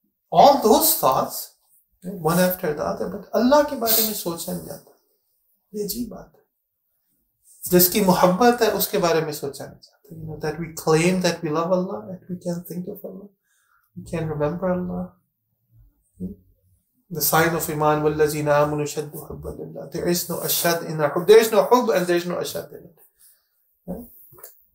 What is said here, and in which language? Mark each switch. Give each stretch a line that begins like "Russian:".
English: All those thoughts, one after the other, but
Urdu: اللہ کے بارے میں سوچا نہیں جاتا۔ یہ عجیب بات ہے۔ جسکی محبت ہے، اسکے بارے میں سوچا نہیں جاتا۔
English: You know, that we claim that we love Allah, that we can think of Allah, we can remember Allah. The sign of Iman,
Arabic: وَالَّذِينَ آمُنُوا شَدُّ حُبَّ لِلَّهِ.
English: There is no ashad in our hub. There is no hub and there is no ashad in it.